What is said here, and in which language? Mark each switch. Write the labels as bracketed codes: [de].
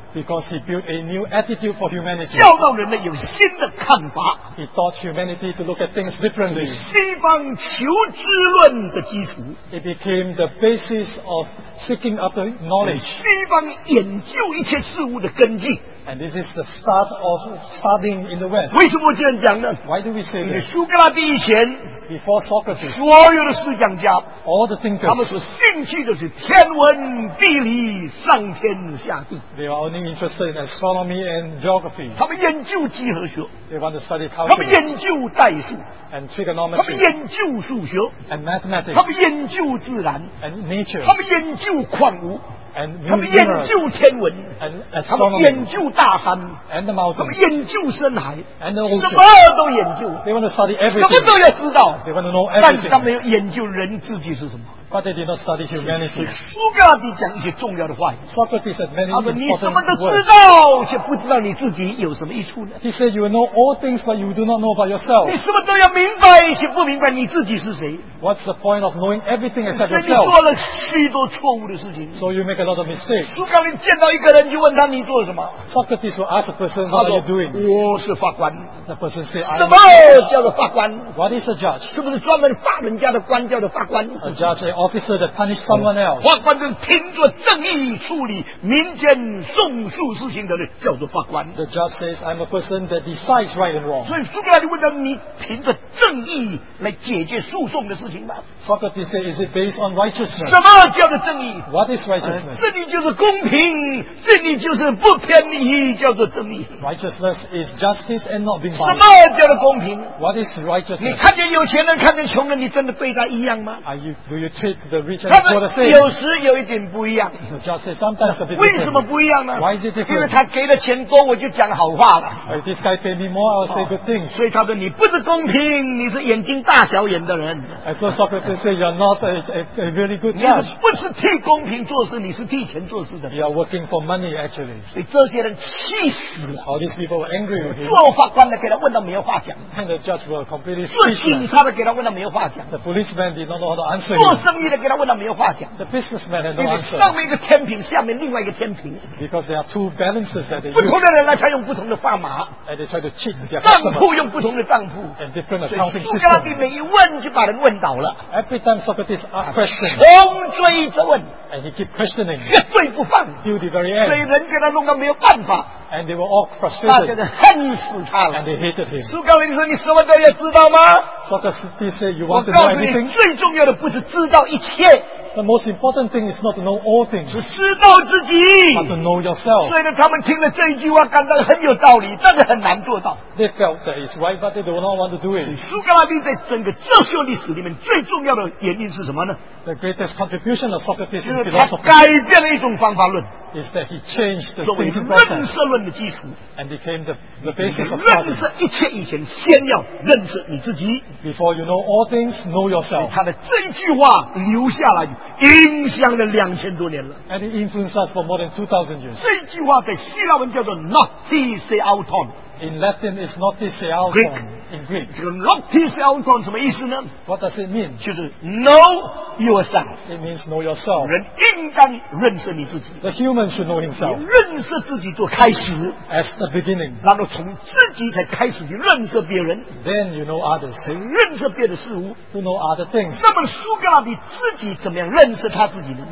[en] Because he built a new attitude for humanity. [zh] 教导人们有新的看法。 [en] He taught humanity to look at things differently. [zh] 西方求知论的基础。 [en] It became the basis of seeking after knowledge. [zh] 西方研究一切事物的根基。 [en] And this is the start of studying in the West. [zh] 为什么这样讲呢？ [en] Why do we say that? [zh] 苏格拉底以前。 [en] Before Socrates, [zh] 所有的思想家 [en] all the thinkers, [zh] 他们所兴趣的是天文地理上天下地 [en] they are only interested in astronomy and geography. [zh] 他们研究几何学 [en] they want to study calculus, [zh] 他们研究代数 [en] and trigonometry, [zh] 他们研究数学 [en] and mathematics, [zh] 他们研究自然 [en] and nature, [zh] 他们研究矿物 [en] and [zh] 他们研究天文 [en] and astronomy, [zh] 他们研究大山 [en] and the mountains, [zh] 他们研究深海 [en] and the ocean, [zh] 什么都研究 [en] they want to study everything, [zh] 什么都要知道 [en] They want to know everything. [zh] 但是他们要研究人自己是什么。 [en] But they did not study humanity. [zh] 苏格拉底讲一些重要的话。 [en] Socrates said many important [zh] words. 他说你什么都知道，却不知道你自己有什么益处呢 [en] ？He said you know all things, but you do not know about yourself. [zh] 你什么都要明白，却不明白你自己是谁 [en] ？What's the point of knowing everything except yourself? [zh] 所以你做了许多错误的事情。 [en] So you make a lot of mistakes. [zh] 苏格拉底见到一个人就问他你做什么 [en] ？Socrates will ask the person what are you doing? [zh] 我是法官。 [en] The person said, I'm a [zh] judge. 什么叫做法官 [en] ？What is a judge? [zh] 是不是专门法人家的官叫做法官 [en] ？A judge. Officer that punish someone else. [zh] 法官就是凭着正义处理民间讼诉事情的人，叫做法官。 [en] The judge says, "I'm a person that decides right and wrong." [zh] 所以苏格拉底问他：“你凭着正义来解决诉讼的事情吗 [en] ？”Socrates says, "Is it based on righteousness?" [zh] 什么叫做正义 [en] ？What is righteousness? [zh] 正义就是公平，正义就是不偏离，叫做正义。 [en] Righteousness is justice and not being [zh] biased. 什么叫做公平 [en] ？What is righteousness? [zh] 你看见有钱人，看见穷人，你真的对他一样吗 [en] ？Are you do you? The [zh] 他们有时有一点不一样。为什么不一样呢？ [en] Why is it different? [zh] 因为他给的钱多，我就讲好话了。 [en] This guy pay me more, I'll say good things. [zh] 所以他说你不是公平，你是眼睛大小眼的人。 [en] I saw Socrates say you're not a really good judge. [zh] 你不是替公平做事，你是替钱做事的。 [en] You are working for money, actually. [zh] 所以这些人气死了。 [en] All these people were angry with [zh] him. 做法官的给他问到没有话讲。 [en] And the judge were completely speechless. [zh] 做警察的给他问到没有话讲。 [en] The policeman did not know how to answer him. [zh] 生意的给他问到没有话讲。 [en] The businessman had no answer. [zh] 上面一个天平，下面另外一个天平。 [en] Because there are two balances that they [zh] use. 不同的人来，他用不同的砝码。 [en] And they try to cheat their [zh] customer. 账户用不同的账户。 [en] And different accounting system. [zh] 苏格拉底每一问就把人问倒了。 [en] Every time Socrates asked questions. [zh] 穷追着问。 [en] And he keep questioning. [zh] 绝对不放。 [en] Till the very end. [zh] 所以人给他弄到没有办法。 [en] And they were all frustrated. [zh] 大家就恨死他了。 [en] And they hated him. [zh] 苏格拉底说：“你什么都要知道吗？” [en] Socrates said, "You want to know everything?" [zh] 我告诉你，最重要的不是知道一切。 [en] The most important thing is not to know all things. [zh] 是知道自己。 [en] But to know yourself. [zh] 虽然他们听了这一句话，感到很有道理，但是很难做到。 [en] They felt that it's right, but they do not want to do it. [zh] 苏格拉底在整个哲学历史里面最重要的原因是什么呢 [en] ？The greatest contribution of Socrates is that he [zh] 改变了一种方法论。 [en] Is that he changed the [zh] 作为认识论的基础 [en] ，and became the basis of study. [zh] 认识一切以前，先要认识你自己。 [en] Before you know all things, know yourself. [zh] 他的这句话留下来，影响了2000多年了。 [en] And it influenced us for more than 2,000 years. [zh] 这句话在希腊文叫做 Noctis Auton. [en] In Latin, it's Noctis Auton. Greek. In Greek. [zh] 这个 Noctis Auton 什么意思呢 [en] ？What does it mean? [zh] 就是 [en] know yourself. It means know yourself. [zh] 人应当认识你自己。 [en] The human should know himself. [zh] 以认识自己做开始。 [en] As the beginning. [zh] 然后从自己才开始去认识别人。 [en] Then you know others. [zh] 认识别的事物。 [en] To know other things. [zh] 那么苏格拉底自己怎么样认识他自己呢